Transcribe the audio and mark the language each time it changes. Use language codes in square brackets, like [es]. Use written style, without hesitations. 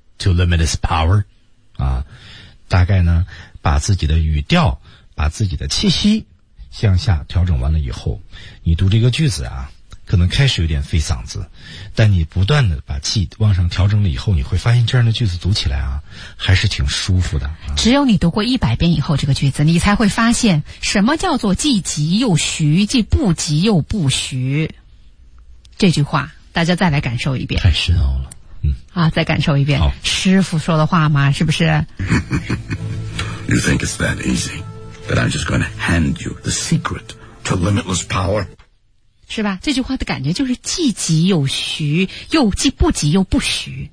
[en] To limitless power, [zh] 啊，大概呢，把自己的语调，把自己的气息向下调整完了以后，你读这个句子啊，可能开始有点费嗓子，但你不断的把气往上调整了以后，你会发现这样的句子读起来啊，还是挺舒服的。啊、只有你读过100遍以后这个句子，你才会发现什么叫做既急又徐，既不急又不徐。这句话，大家再来感受一遍。太深奥了。嗯、啊，再感受一遍师傅说的话吗？是不是 [en] You think it's that easy that I'm just going to hand you the secret to limitless power [zh] 是吧，这句话的感觉就是既急又徐，又既不急又不徐。